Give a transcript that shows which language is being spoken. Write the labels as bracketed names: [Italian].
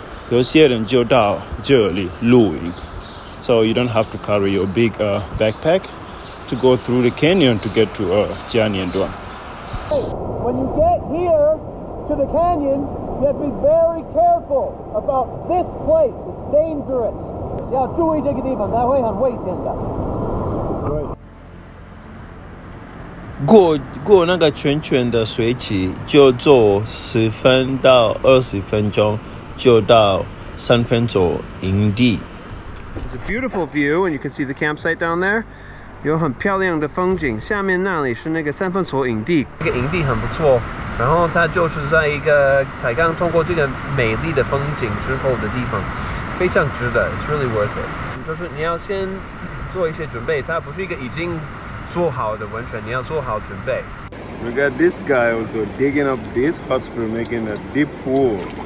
[Chinese] 有些人就到这里露营 [English] So you don't have to carry your big backpack to go through the canyon to get to 加年端 When you get here to the canyon, you have to be very careful about this place. It's dangerous. [Chinese] 要注意这个地方，它会很危险的。过那个泉泉的水池，就坐10到20分钟。就到三分所营地。 [English] It's a beautiful view, and you can see the campsite down there. [Chinese] 有很漂亮的风景。下面那里是那个三分所营地。这个营地很不错。然后它就是在一个才刚通过这个美丽的风景之后的地方，非常值得。 [English] It's really worth it. [Chinese] 就是你要先做一些准备，它不是一个已经做好的温泉，你要做好准备。 [English] We got this guy also digging up this hot spring, making a deep pool.